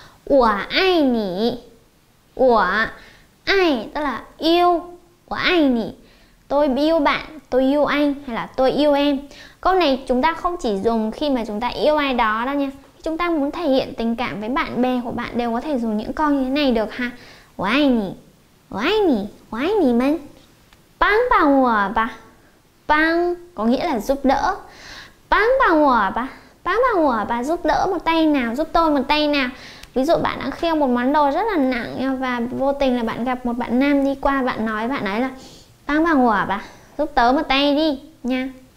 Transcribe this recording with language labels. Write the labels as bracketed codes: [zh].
[zh] 我爱你, 我爱 [vi] tức là yêu. [zh] 我爱你, [vi] tôi yêu bạn, tôi yêu anh, hay là tôi yêu em. Câu này chúng ta không chỉ dùng khi mà chúng ta yêu ai đó đâu nha. Chúng ta muốn thể hiện tình cảm với bạn bè của bạn đều có thể dùng những câu như thế này được ha. [zh] 我爱你, 我爱你, 我爱你们. 帮帮我吧, [vi] 帮 có nghĩa là giúp đỡ. [zh] 帮帮我吧, 帮帮我吧, [vi] giúp đỡ một tay nào, giúp tôi một tay nào. Ví dụ bạn đang khiêng một món đồ rất là nặng và vô tình là bạn gặp một bạn nam đi qua, bạn nói với bạn ấy là [zh] 帮帮我吧, [vi] giúp tớ một tay đi nha.